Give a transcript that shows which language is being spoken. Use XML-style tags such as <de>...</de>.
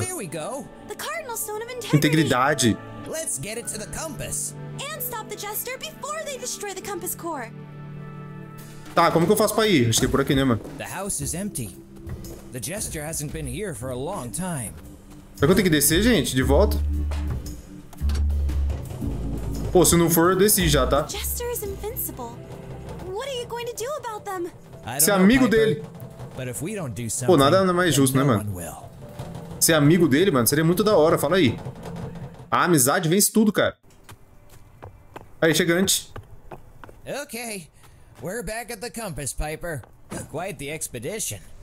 <en>There we go. The cardinal stone of</en> <pt>integridade.</pt> <en>Let's get it to the compass. And stop the jester before they destroy the compass core.</en> <pt>Tá, como que eu faço pra ir? Acho que é por aqui, né, mano?</pt> <en>The house is empty. The jester hasn't been here for a long time.</en> <pt>Será que eu tenho que descer, gente, de volta? Pô, se não for, eu desci já, tá?</pt> <en>The jester is invincible. What are you going to do about them?</en> <pt>Ser amigo dele.</pt> <en>But if we don't do something,</en> <pt>pô, nada é mais justo, né, mano? Ser amigo dele, mano, seria muito da hora, fala aí. A amizade vence tudo, cara. Aí, chegante.</pt> <en>Ok. We're back at the compass, Piper. Quite the expedition.</en>